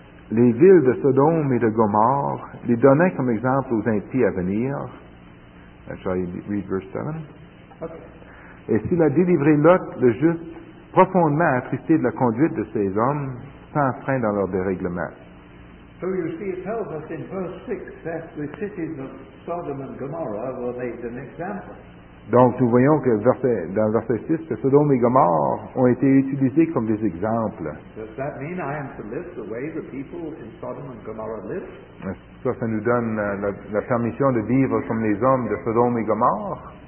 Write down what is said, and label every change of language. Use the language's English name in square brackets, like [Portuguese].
[French] les villes de Sodome et de Gomorre, les donnait comme exemple aux impies à venir. [English] Shall I read verse 7? Okay. [French] Et s'il a délivré Lot, le juste, profondément attristé de la conduite de ces hommes, sans frein dans leur dérèglement. [English] So you see, it tells us in verse 6 that the cities of Sodom and Gomorrah were made an example. [French] Donc, nous voyons que dans le verset 6, que Sodome et Gomorre ont été utilisés comme des exemples. [English] Does that mean I am to live the way the people in Sodom and Gomorrah live? [French] Ça, ça nous donne la permission de vivre comme les hommes de Sodome et Gomorre?